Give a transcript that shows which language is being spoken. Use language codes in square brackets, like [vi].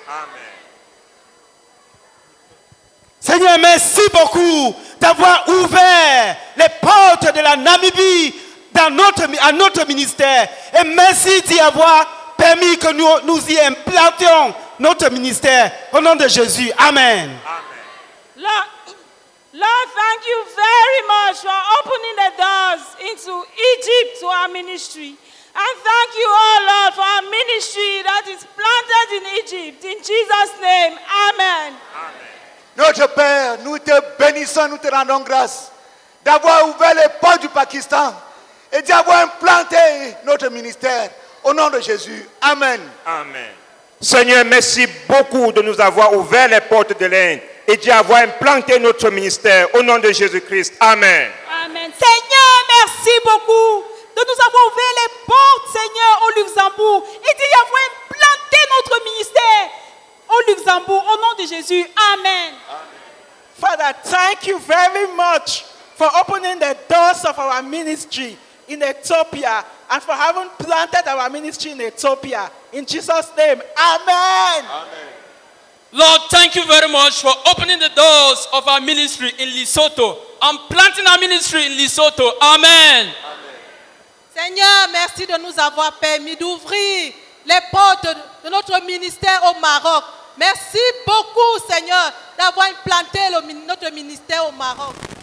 [fr] Amen. Seigneur, merci beaucoup d'avoir ouvert les portes de la Namibie à notre ministère. Et merci d'y avoir permis que nous y implantions notre ministère. Au nom de Jésus. Amen. Amen. [en] Lord, thank you very much for opening the doors into Egypt to our ministry. And thank you, oh Lord, for our ministry that is planted in Egypt. In Jesus' name, amen. Amen. [fr] Notre Père, nous te bénissons, nous te rendons grâce d'avoir ouvert les portes du Pakistan et d'avoir implanté notre ministère. Au nom de Jésus, amen. Amen. Seigneur, merci beaucoup de nous avoir ouvert les portes de l'Inde et d'y avoir implanté notre ministère. Au nom de Jésus-Christ, amen. Amen. Seigneur, merci beaucoup de nous avoir ouvert les portes, Seigneur, au Luxembourg, et d'y avoir implanté notre ministère au Luxembourg, au nom de Jésus. Amen. Amen. [en] Father, thank you very much for opening the doors of our ministry in Ethiopia and for having planted our ministry in Ethiopia. In Jesus' name, amen. Amen. Lord, thank you very much for opening the doors of our ministry in Lesotho and planting our ministry in Lesotho. Amen. Amen. [fr] Seigneur, merci de nous avoir permis d'ouvrir les portes de notre ministère au Maroc. Merci beaucoup, Seigneur, d'avoir implanté notre ministère au Maroc.